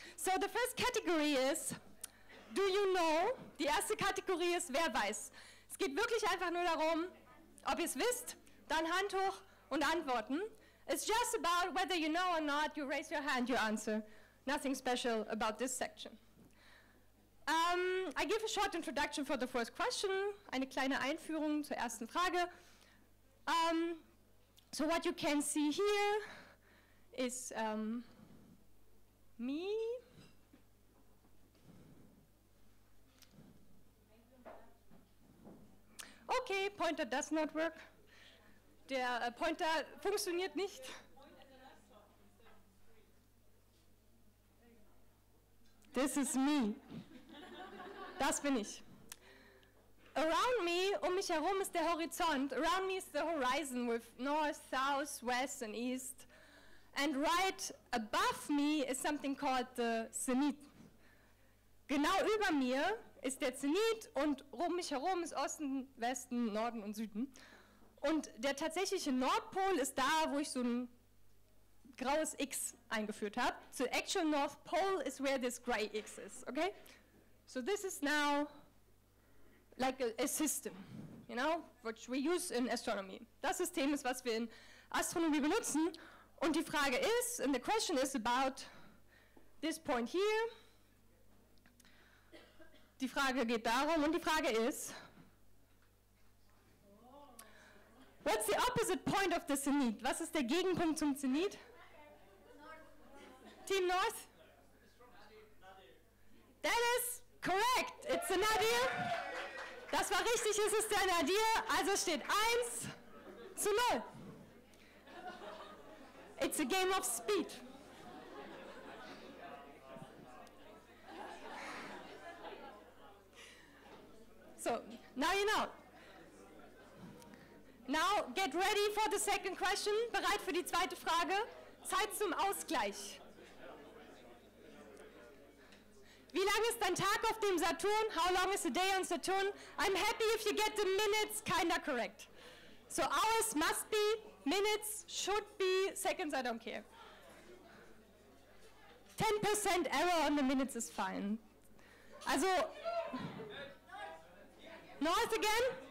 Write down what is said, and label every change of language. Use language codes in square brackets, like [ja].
[en] So the first category is, do you know? [de] Die erste Kategorie ist, wer weiß? Es geht wirklich einfach nur darum, ob ihr es wisst, dann Hand hoch und antworten. [en] It's just about whether you know or not, you raise your hand, you answer. Nothing special about this section. I give a short introduction for the first question. [de] Eine kleine Einführung zur ersten Frage. [en] So what you can see here is me. Okay, Pointer does not work. [de] Der Pointer funktioniert nicht. [en] This is me. [de] Das bin ich. [en] Around me, [de] um mich herum, ist der Horizont. [en] Around me is the horizon with north, south, west and east. And right above me is something called the Zenit. [de] Genau über mir ist der Zenit und um mich herum ist Osten, Westen, Norden und Süden. Und der tatsächliche Nordpol ist da, wo ich so ein graues X eingeführt habe. [en] So the actual North Pole is where this gray X is, okay? So this is now like a system, you know, which we use in astronomy. [de] Das System ist, was wir in Astronomie benutzen. Und die Frage ist, [en] and the question is about this point here. [de] Die Frage geht darum, und die Frage ist, [en] what's the opposite point of the Zenit? [de] Was ist der Gegenpunkt zum Zenit? [en] Team North? That is correct. It's a nadir. [de] Das war richtig, es ist der Nadir. Also steht 1-0. [en] It's a game of speed. So, now you know. Now get ready for the second question. [de] Bereit für die zweite Frage. Zeit zum Ausgleich. Wie lange ist ein Tag auf dem Saturn? [en] How long is a day on Saturn? I'm happy if you get the minutes kinda correct. So hours must be, minutes should be, seconds I don't care. 10% error on the minutes is fine. Also, north again?